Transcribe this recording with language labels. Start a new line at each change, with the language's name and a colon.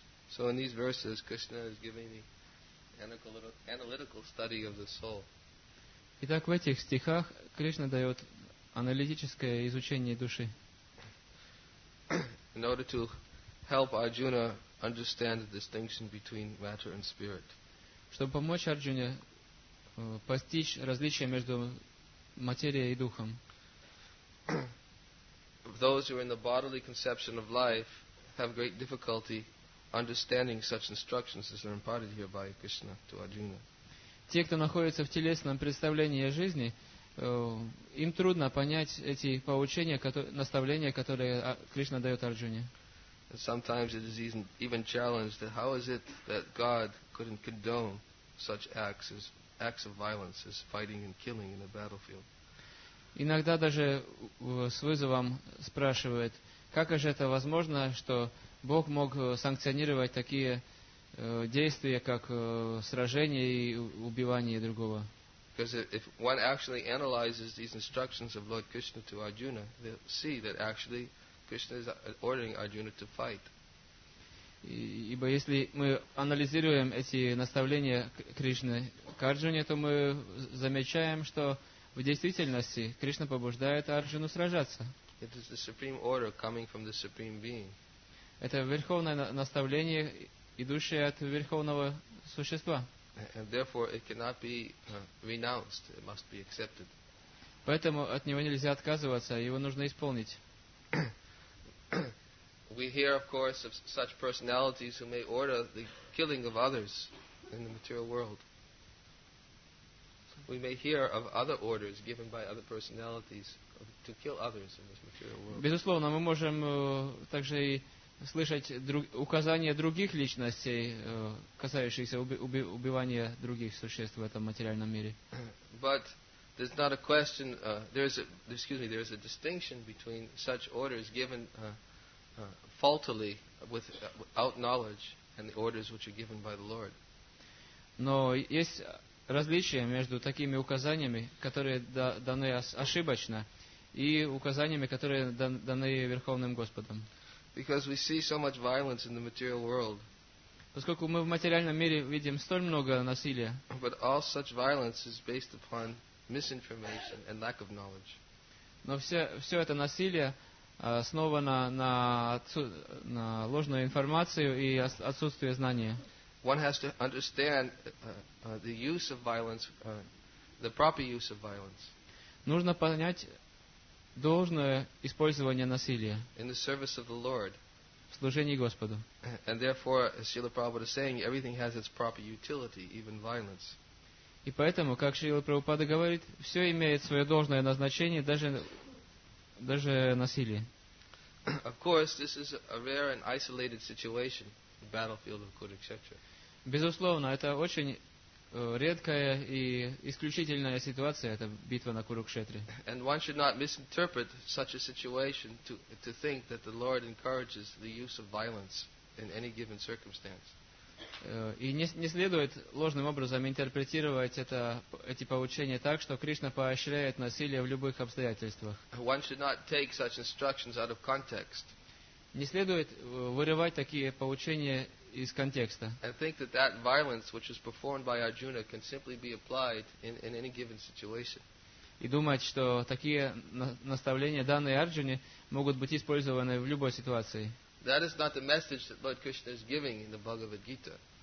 English: So in these verses Krishna is giving me analytical study of the soul.
Russian: Итак, в этих стихах Кришна дает аналитическое изучение души.
English: In order to help Arjuna understand the distinction between matter and spirit.
Russian: Чтобы помочь Арджуне постичь различие между материей и духом.
English: Those who are in the bodily conception of life have great difficulty understanding such instructions as are imparted here by Krishna to Arjuna.
Russian: Те, кто находится в телесном представлении жизни, им трудно понять эти поучения, наставления, которые Кришна дает Арджуне.
English: Sometimes it is even challenged that how is it that God couldn't condone such acts as acts of violence as fighting and killing in a battlefield.
Russian: Иногда даже с вызовом спрашивает, как же это возможно, что Бог мог санкционировать такие действия, как сражение и убивание другого.
English: Because if one actually analyzes these instructions of Lord Krishna to Arjuna, they'll see that actually Krishna is ordering Arjuna to fight.
Russian: Ибо если мы анализируем эти наставления Кришны к Арджуне, то мы замечаем, что в действительности Кришна побуждает Арджуну сражаться.
English: It is the supreme order coming from the supreme being.
Russian: Это верховное наставление, идущее от верховного существа.
English: And therefore it cannot be renounced, it must be accepted.
Russian: Поэтому от него нельзя отказываться, его нужно исполнить.
English: We hear, of course, of such personalities who may order the killing of others in the material world. We may hear of other orders given by other personalities to kill others in this material world.
Russian: Безусловно, мы можем также и слышать указания других личностей, касающихся убивания других существ в этом материальном мире.
English: But there's not a question. There is a distinction between such orders given faultily, without knowledge, and the orders which are given by the Lord.
Russian: Но есть различие между такими указаниями, которые даны ошибочно, и указаниями, которые даны Верховным Господом.
English: Because we see so much violence in the material world.
Russian: Поскольку мы в материальном мире видим столь много насилия.
English: But all such violence is based upon misinformation and lack of knowledge.
Russian: Но все это насилие основана на ложную информацию и отсутствие знания.
English: One has to understand the use of violence, the proper use of violence.
Russian: Нужно понять должное использование насилия.
English: In the service of the Lord.
Russian: В служении Господу.
English: And therefore, as Srila Prabhupada is saying, everything has its proper utility, even violence.
Russian: И поэтому, как Шрила Прабхупада говорит, все имеет свое должное назначение, даже насилие.
English: Of course, this is a rare and isolated situation, the battlefield of Kurukshetra.
Russian: Безусловно, это очень редкая и исключительная ситуация, это битва на Курукшетре.
English: And one should not misinterpret such a situation to think that the Lord encourages the use of violence in any given circumstance.
Russian: И не следует ложным образом интерпретировать эти поучения так, что Кришна поощряет насилие в любых обстоятельствах.
English: One should not take such instructions out of context.
Russian: Не следует вырывать такие поучения из контекста.
English: And think that that violence, which is performed by Arjuna, can simply be applied in any given situation.
Russian: И думать, что такие наставления, данные Арджуне, могут быть использованы в любой ситуации.
English: That is not the message that Lord Krishna is giving in the Bhagavad Gita.